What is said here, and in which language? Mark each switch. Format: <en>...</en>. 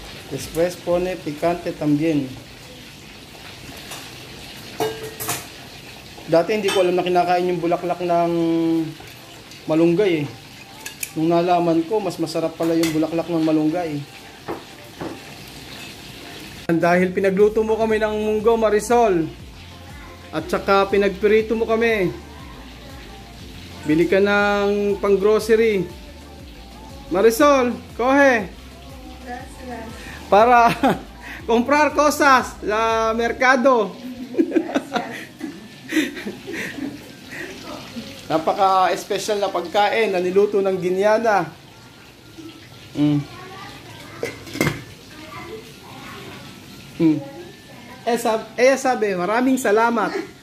<es>Después pone picante también.</es> <tl>Dati hindi ko alam na kinakain yung bulaklak ng malunggay eh. Nung nalaman ko, mas masarap pala yung bulaklak ng malunggay. And dahil pinagluto mo kami ng munggo, Marisol. At saka pinagpirito mo kami. Bili ka ng pang-grocery. Marisol, coge.</tl> <es>Para comprar cosas la mercado.</es> <tl>Napaka special na pagkain na niluto ng Guiniana. Eh sabi, maraming salamat.</tl>